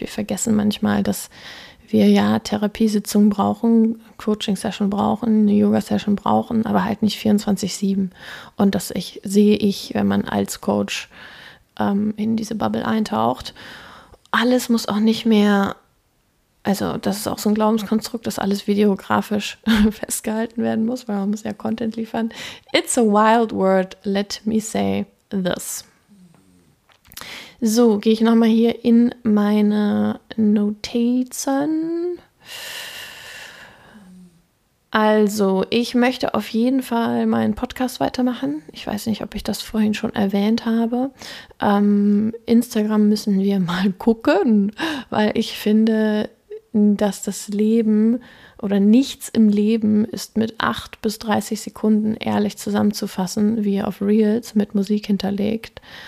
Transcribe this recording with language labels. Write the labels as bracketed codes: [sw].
[de] Wir vergessen manchmal, dass wir ja Therapiesitzungen brauchen, Coaching-Session brauchen, eine Yoga-Session brauchen, aber halt nicht 24/7. Und das sehe ich, wenn man als Coach in diese Bubble eintaucht. Alles muss auch nicht mehr, also das ist auch so ein Glaubenskonstrukt, dass alles videografisch festgehalten werden muss, weil man muss ja Content liefern. [en] It's a wild world, let me say this. [de] So, gehe ich nochmal hier in meine Notizen. Also, ich möchte auf jeden Fall meinen Podcast weitermachen. Ich weiß nicht, ob ich das vorhin schon erwähnt habe. Instagram müssen wir mal gucken, weil ich finde, dass das Leben oder nichts im Leben ist mit 8 bis 30 Sekunden ehrlich zusammenzufassen, wie auf Reels mit Musik hinterlegt.